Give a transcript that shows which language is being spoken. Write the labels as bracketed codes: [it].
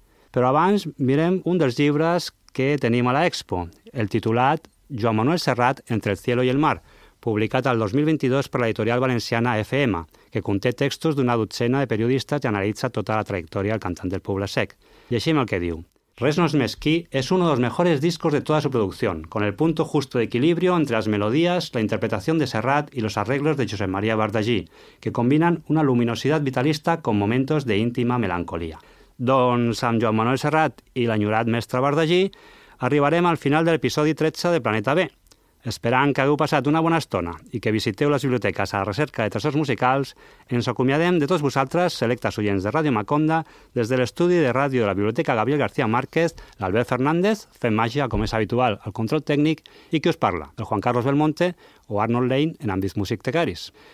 [ca] Però abans mirem un dels llibres que tenim a l'Expo, el titulat Joan Manuel Serrat entre el cielo i el mar, publicat el 2022 per l'editorial valenciana FM, que conté textos d'una dotzena de periodistes i analitza tota la trajectòria del cantant del Poble-sec. Llegim el que diu. [es] Res no es mezquí es uno de los mejores discos de toda su producción, con el punto justo de equilibrio entre las melodías, la interpretación de Serrat y los arreglos de José María Bardají, que combinan una luminosidad vitalista con momentos de íntima melancolía. [ca] Doncs amb Joan Manuel Serrat i l'enyorat mestre Bardagí arribarem al final de l'episodi 13 de Planeta B, esperant que hagueu passat una bona estona i que visiteu les biblioteques a la recerca de tresors musicals. Ens acomiadem de tots vosaltres, selectes oients de Ràdio Maconda, des de l'estudi de ràdio de la Biblioteca Gabriel García Márquez, l'Albert Fernández, fent màgia, com és habitual, al control tècnic, i qui us parla, el Juan Carlos Belmonte o Arnold Lane en àmbits músic tecaris.